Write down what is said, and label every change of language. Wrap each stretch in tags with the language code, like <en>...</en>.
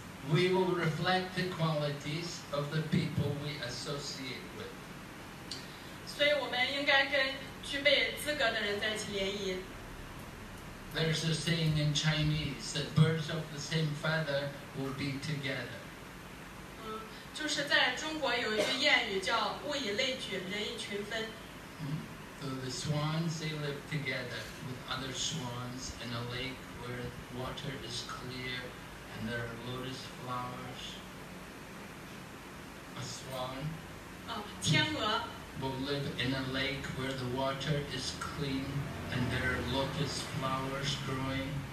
<en>We will reflect the qualities of the people we associate with.</en> <zh>所以我们应该跟具备资格的人在一起联谊。There's</zh> <en>a saying in Chinese that birds of the same feather will be together.</en> <zh>就是在中国有一句谚语叫物以类聚，人以群分。</zh> <en>So the swans, they live together with other swans in a lake where water is clear and there are lotus flowers. A swan will live in a lake where the water is clean and there are lotus flowers growing.</en>